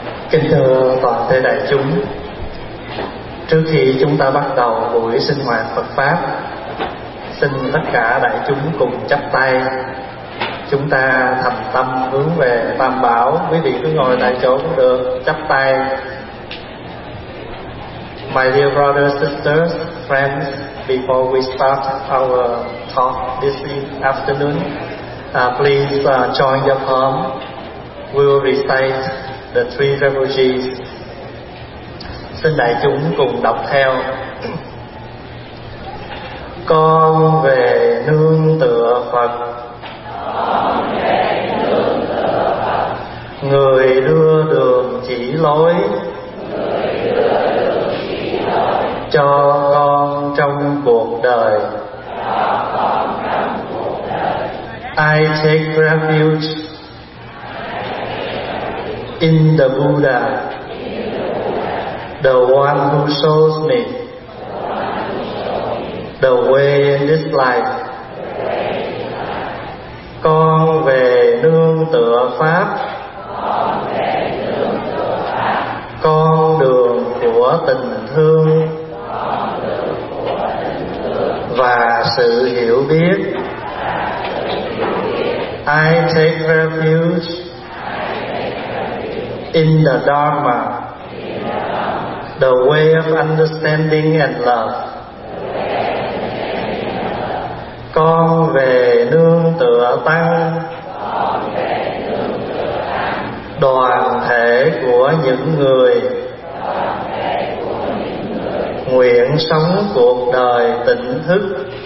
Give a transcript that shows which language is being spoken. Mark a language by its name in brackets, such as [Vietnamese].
[Vietnamese] Kính thưa toàn thể đại chúng, trước khi chúng ta bắt đầu buổi sinh hoạt Phật pháp, xin tất cả đại chúng cùng chắp tay, chúng ta thành tâm hướng về Tam Bảo. Quý vị cứ ngồi tại chỗ cũng được, chắp tay. [English] My dear brothers, sisters, friends, before we start our talk this afternoon, please join your palm. We will recite the three refugees. [Vietnamese] Xin đại chúng cùng đọc theo. Con về nương tựa Phật, người đưa đường chỉ lối, cho con trong cuộc đời. [English] I take refuge in the Buddha, the one who shows me the way in this life. [Vietnamese] Con về nương tựa Pháp, con đường của tình thương và sự hiểu biết. [English] I take refuge in the Dharma, the way of understanding and love. [Vietnamese] Con về nương tựa Tăng, đoàn thể của những người nguyện sống cuộc đời tỉnh thức.